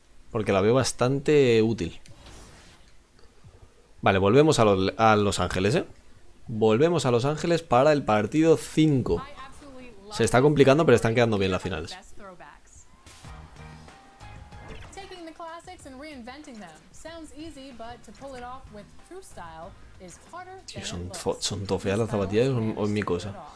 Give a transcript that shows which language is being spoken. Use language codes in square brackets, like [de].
[es] Porque la veo bastante útil. Vale, volvemos a Los Ángeles, ¿eh? Volvemos a Los Ángeles para el partido 5. Se está complicando, pero están quedando bien las finales. [en] Taking the classics and reinventing them sounds easy, but to pull it off with true style is harder than it looks. [es] Son tofeas las zapatillas o es mi cosa.